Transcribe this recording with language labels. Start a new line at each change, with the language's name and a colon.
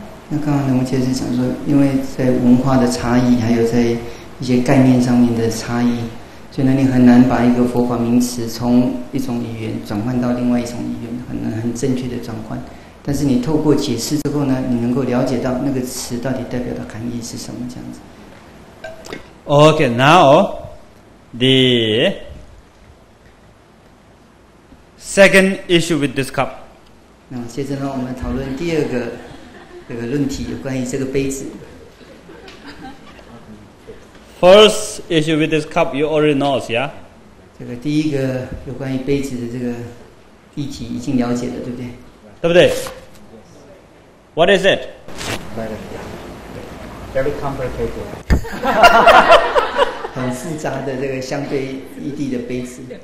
Chinese: 那刚刚能不能解释说，因为在文化的差异还有在一些概念上面的差异，所以呢你很难把一个佛法名词从一种语言转换到另外一种语言，很难很正确的转换，但是你透过解释之后呢，你能够了解到那个词到底代表的含义是什么这样子。
English: OK， now the second issue with this cup。
Chinese: 那接着呢我们讨论第二个这个论题，有关于这个杯子。
English: First issue with this cup, you already know, yeah?
Chinese: 这个第一个有关于杯子的这个议题已经了解了，对不对？对不对？
English: What is it? Very complicated.
Chinese: 很复杂的这个相对异地的杯子。